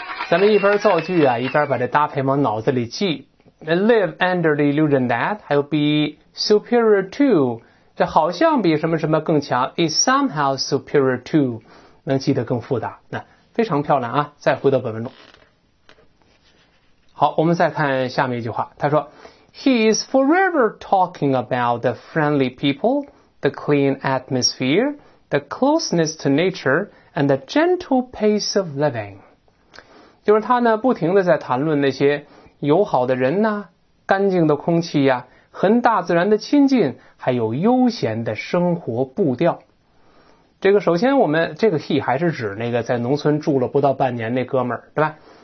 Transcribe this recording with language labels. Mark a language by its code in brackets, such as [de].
[zh] 咱们一边造句啊，一边把这搭配往脑子里记。 [en] Live under the illusion that [zh] 还有 [en] be superior to， [zh] 这好像比什么什么更强， [en] is somehow superior to， [zh] 能记得更复杂。那非常漂亮啊，再回到本文中。好，我们再看下面一句话，他说 [en] He is forever talking about the friendly people, the clean atmosphere, the closeness to nature, and the gentle pace of living。 [zh] 就是他呢不停地在谈论那些友好的人啊，干净的空气啊，和大自然的亲近，还有悠闲的生活步调。这个首先我们这个 he 还是指那个在农村住了不到半年那哥们儿，对吧？